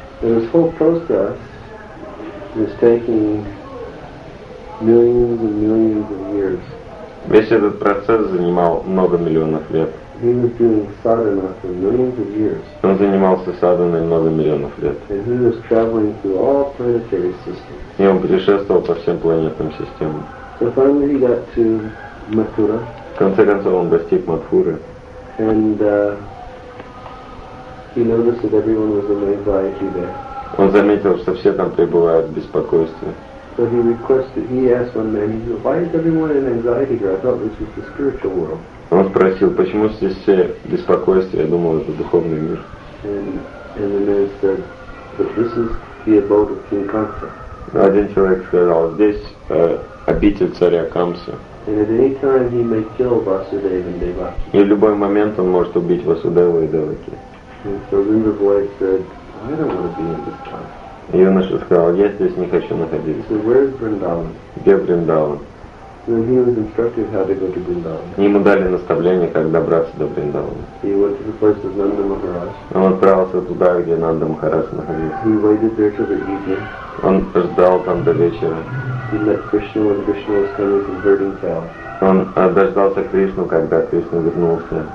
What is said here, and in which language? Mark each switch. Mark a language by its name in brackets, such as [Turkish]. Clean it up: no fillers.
[English] And his whole process was taking millions and millions of years. [Russian] Весь этот процесс занимал много миллионов лет. [English] He was doing sadhana for millions of years. [Russian] Он занимался садханой много миллионов лет. [English] And he was traveling through all planetary systems. [Russian] И он путешествовал по всем планетным системам. [English] So finally he got to Mathura. [Russian] В конце концов он достиг Матхуры. [English] And he noticed that everyone was in anxiety there. [Russian] Он заметил, что все там пребывают в беспокойстве. [English] So he asked one man, he said, why is everyone in anxiety here? I thought this was the spiritual world. [Russian] Он спросил, почему здесь все беспокойствия? Я думал, это духовный мир. [English] And the man said, but this is the abode of King Kansa. [Russian] Один человек сказал, здесь обитель царя Камсы. [English] And at any time he may kill Vasudeva and Devaki. [Russian] И в любой момент он может убить Васудеву и Деваки. [English] So then the boy said, I don't want to be in this town. [Russian] Юноша сказал, я здесь не хочу находиться. [English] So where is Vrindavan? [Russian] Где Вриндаван? [English] So he was instructed how to go to Vrindavan. [Russian] Ему дали наставление, как добраться до Вриндавана. [English] He went to the place of Nanda Maharaj. [Russian] Он отправился туда, где Нанда Махарадж находился. [English] He waited there till the evening. [Russian] Он ждал там до вечера. [English] He met Krishna when Krishna was coming from Vrindavan. [Russian] Он дождался Кришну, когда Кришна вернулся.